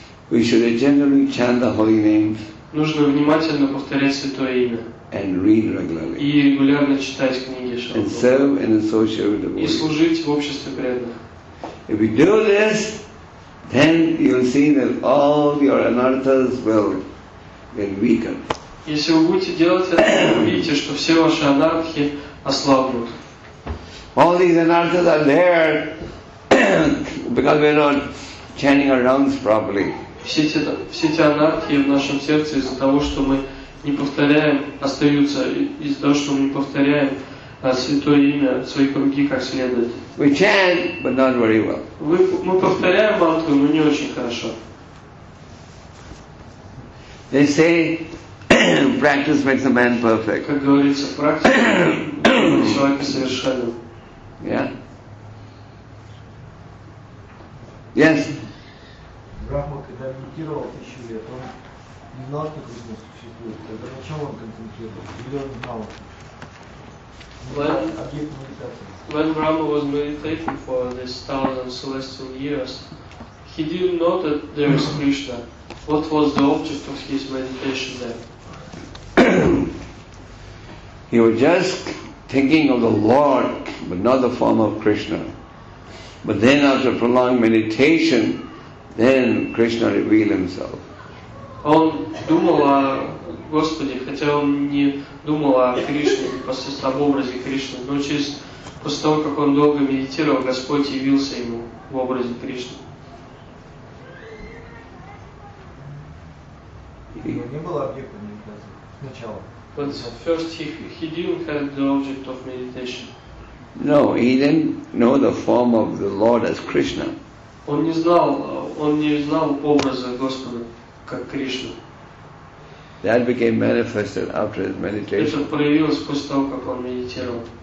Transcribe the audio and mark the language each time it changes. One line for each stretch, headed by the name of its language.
English: We should generally chant the holy names.
Russian: Нужно внимательно повторять святое имя.
English: And read regularly.
Russian: И регулярно читать книги Шалпу.
English: And serve and associate with the Lord.
Russian: И служить в обществе преданных.
English: If you do this, then you'll see that all your anarthas will get weaker.
Russian: Если вы будете делать это, вы увидите, что все ваши анартхи ослабнут.
English: All these anarthas are there because we're not chanting our rounds properly.
Russian: Все эти анархии в нашем сердце из-за того, что мы не повторяем, остаются из-за того, что мы не повторяем святое имя свои круги как следует.
English: We chant, but not very well.
Russian: Мы повторяем мантру, но не очень хорошо.
English: They say practice makes a man perfect.
Russian: Как говорится, практика человека совершенен.
English: Yeah. Yes.
Russian: Брахма, когда медитировал тысячу лет, он не знал, что Кришна существует. Тогда на чем он концентрировался? Или он знал?
English: When Brahma was meditating for these thousand celestial years, he didn't know that there is Krishna. What was the object of his meditation there? He was just thinking of the Lord, but not the form of Krishna. But then after prolonged meditation, then Krishna revealed himself.
Russian: Он думал о Господе, хотя он не думал о Кришне, непосредственно об образе Кришны, но через после того, как он долго медитировал, Господь явился ему в образе Кришны. Не было объекта медитации сначала.
English: But first he didn't have the object of meditation. No, he didn't know the form of the Lord as Krishna.
Russian: Он не знал образа Господа как Кришна.
English: That became manifested after his meditation.
Russian: Это проявилось после того, как он медитировал.